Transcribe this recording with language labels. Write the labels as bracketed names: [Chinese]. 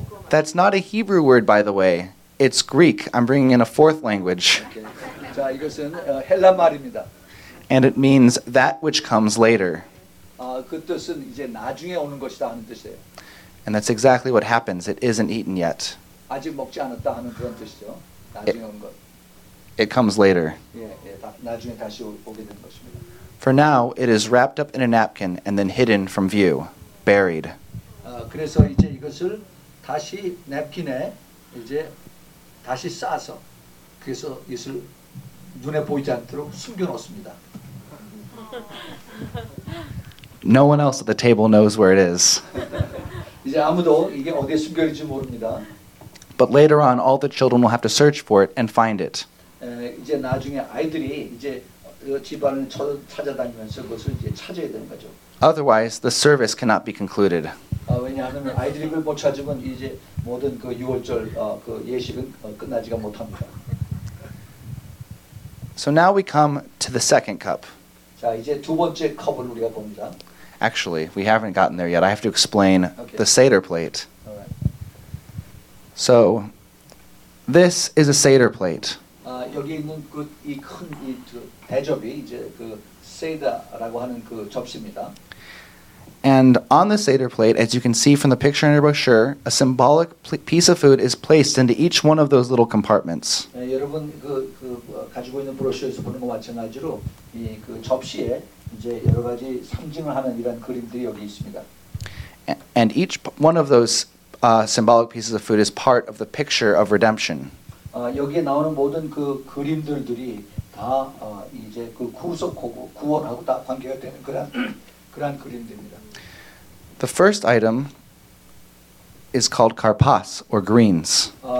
[English] That's not a Hebrew word, by the way. It's Greek. I'm bringing in a fourth language. Okay. [Korean] 자, 이것은 헬라 말입니다. [English] And it means that which comes later. [Korean] 그 뜻은 이제 나중에 오는 것이다 하는 뜻이에요. [English] And that's exactly what happens. It isn't eaten yet. [Korean] 아직 먹지 않았다 하는 그런 뜻이죠. 나중에 오는 것. [English] It comes later. [Korean] 예, 나중에 다시 오게 되는 것입니다. [English] For now, it is wrapped up in a napkin and then hidden from view, buried. [Korean] 그래서 이제 이것을 다시 냅킨에 이제 다시 싸서 그래서 이것을 눈에 보이지 않도록 숨겨 놓습니다. [English] No one else at the table knows where it is. [Korean] 이제 아무도 이게 어디에 숨겨 있는지 모릅니다. [English] But later on, all the children will have to search for it and find it. [Korean] 이제 나중에 아이들이 이제 집안을 찾아다니면서 그것을 이제 찾아야 되는 거죠. [English] Otherwise, the service cannot be concluded. [Korean] 왜냐하면 아이들이 그걸 못 찾으면 이제 모든 그 유월절 그 예식은 끝나지가 못합니다. [English] So now we come to the second cup. [Korean] 자 이제 두 번째 컵을 우리가 봅니다. [English] Actually, we haven't gotten there yet. I have to explain okay. the Seder plate. Alright. So this is a Seder plate. [Korean] 여기 있는 그 이 큰 이 그 대접이 이제 그 세다라고 하는 그 접시입니다. [English] And on the Seder plate, as you can see from the picture in your brochure, a symbolic piece of food is placed into each one of those little compartments. [Korean] 여러분 그 가지고 있는 브로셔에서 보는 것 마찬가지로 이 그 접시에 이제 여러 가지 상징을 하는 이런 그림들이 여기 있습니다. [English] And each one of those symbolic pieces of food is part of the picture of redemption. [Korean] 여기에 나오는 모든 그 그림들들이 다 이제 그 구속하고 구원하고 다 관계가 되는 그런 그런 그림들입니다. [English] The first item is called karpas or greens.